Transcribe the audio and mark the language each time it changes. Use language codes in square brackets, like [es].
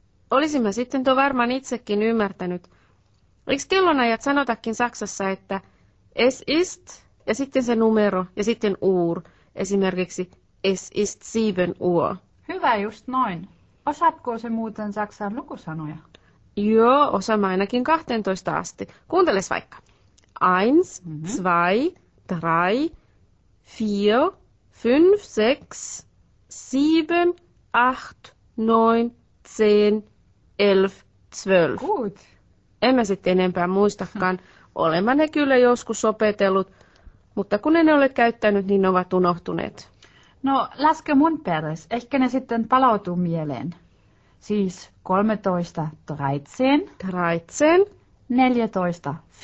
[fi] Olisin mä sitten tuo varmaan itsekin ymmärtänyt. Eiks kellonajat sanotakin Saksassa, että [de] es ist [fi] ja sitten se numero ja sitten uur. [de] Esimerkiksi es ist 7 Uhr. [fi] Hyvä, just noin. Osaatko se muuten saksan lukusanoja? Joo, osaan ainakin 12 asti. Kuunteles vaikka. [de] Eins, zwei, drei, vier, fünf, sechs, sieben, acht, neun, zehn, elf, zwölf. Gut. [fi] En mä sitten enempää muistakaan. Olen mä ne kyllä joskus opetellut, mutta kun en ole käyttänyt, niin ne ovat unohtuneet. No, laske mun peres. Ehkä ne sitten palautuu mieleen. Siis 13, 13. 13. 14, 14.